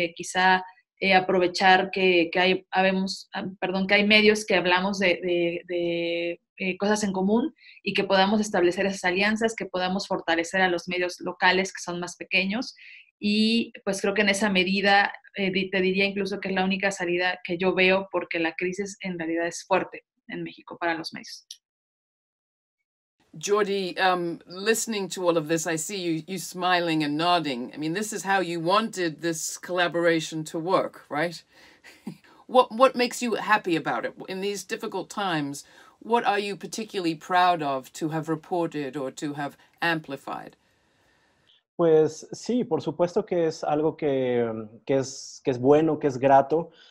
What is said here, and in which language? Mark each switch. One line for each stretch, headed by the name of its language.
Spanish: Quizá aprovechar que hay medios que hablamos de cosas en común y que podamos establecer esas alianzas, que podamos fortalecer a los medios locales que son más pequeños. Y pues creo que en esa medida, te diría incluso que es la única salida que yo veo, porque la crisis en realidad es fuerte en México para los medios.
English: Jordy, listening to all of this, I see you smiling and nodding. I mean, this is how you wanted this collaboration to work, right? What makes you happy about it? In these difficult times, what are you particularly proud of to have reported or to have amplified?
Spanish: Pues sí, por supuesto que es algo que es bueno, que es grato.